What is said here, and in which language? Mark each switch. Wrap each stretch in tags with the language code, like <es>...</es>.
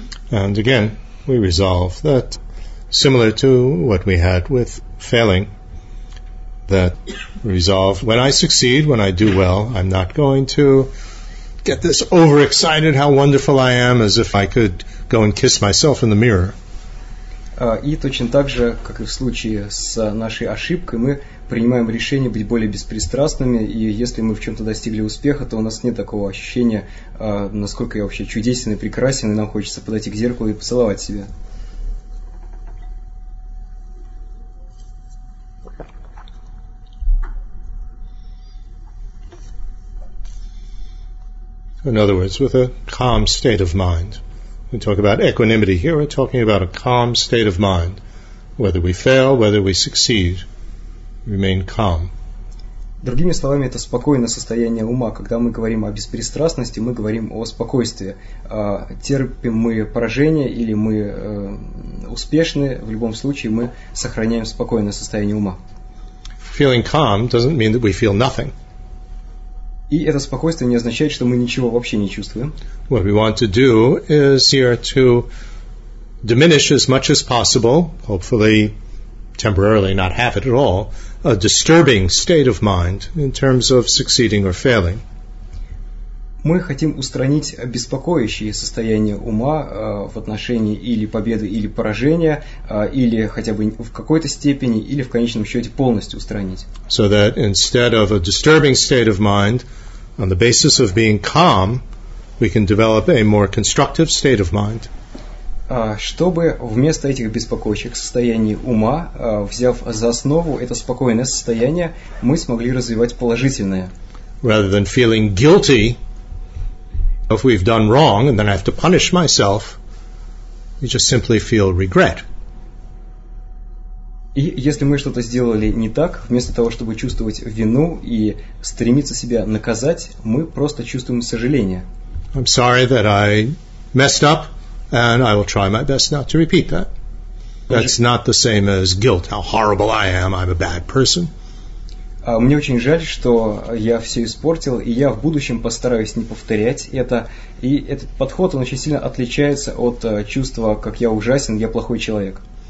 <en>And again, we resolve that, similar to what we had with failing, that resolve, when I succeed, when I do well, I'm not going to get this overexcited how wonderful I am as if I could go and kiss myself in the mirror.</en> <ru>И точно так же, как и в случае с нашей ошибкой, мы принимаем решение быть более беспристрастными, и если мы в чем-то достигли успеха, то у нас нет такого ощущения, насколько я вообще чудесен и прекрасен, и нам хочется подойти к зеркалу и поцеловать себя.</ru> <en>In other words, with a calm state of mind. We talk about equanimity here, we're talking about a calm state of mind. Whether we fail, whether we succeed, remain calm.</en> <ru>Другими словами, это спокойное состояние ума. Когда мы говорим о беспристрастности, мы говорим о спокойствии. Терпим мы поражение или мы успешны, в любом случае мы сохраняем спокойное состояние ума.</ru> <en>Feeling calm doesn't mean that we feel nothing.</en> <ru>И это спокойствие не означает, что мы ничего вообще не чувствуем.</ru> <en>What we want to do is here to diminish as much as possible, hopefully temporarily not have it at all, a disturbing state of mind in terms of succeeding or failing.</en> <ru>Мы хотим устранить беспокоящие состояния ума в отношении или победы, или поражения, или хотя бы в какой-то степени, или в конечном счете полностью устранить.</ru> <en>So that instead of a disturbing state of mind, on the basis of being calm, we can develop a more constructive state of mind.</en> <ru>Чтобы вместо этих беспокоящих состояний ума, взяв за основу это спокойное состояние, мы смогли развивать положительное.</ru> <en>Rather than feeling guilty, if we've done wrong and then I have to punish myself, you just simply feel regret.</en> <ru>И если мы что-то сделали не так, вместо того, чтобы чувствовать вину и стремиться себя наказать, мы просто чувствуем сожаление.</ru> <en>I'm sorry that I messed up and I will try my best not to repeat that. That's not the same as guilt. How horrible I am. I'm a bad person.</en> <ru>Мне очень жаль, что я все испортил, и я в будущем постараюсь не повторять это. И этот подход, он очень сильно отличается от чувства, как я ужасен, я плохой человек.</ru>